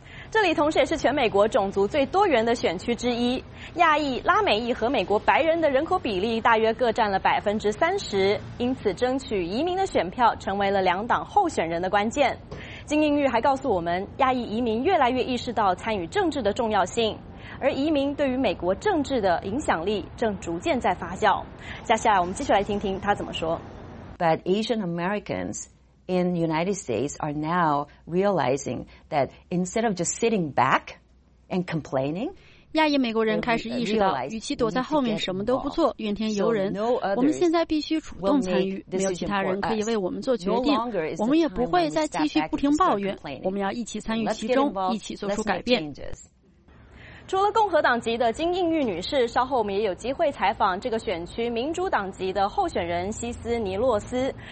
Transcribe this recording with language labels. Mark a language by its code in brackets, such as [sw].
[zh] 这里同时也是全美国种族最多元的选区之一，亚裔、拉美裔和美国白人的人口比例大约各占了30%，因此争取移民的选票成为了两党候选人的关键。金应玉还告诉我们，亚裔移民越来越意识到参与政治的重要性，而移民对于美国政治的影响力正逐渐在发酵。接下来我们继续来听听他怎么说。 [en] But Asian Americans in the United States are now realizing that instead of just sitting back and complaining, [zh] 亚裔美国人开始意识到，与其躲在后面什么都不做怨天尤人，我们现在必须主动参与，没有其他人可以为我们做决定，我们也不会再继续不停抱怨，我们要一起参与其中，一起做出改变。除了共和党籍的金应玉女士，稍后我们也有机会采访这个选区民主党籍的候选人西斯尼洛斯。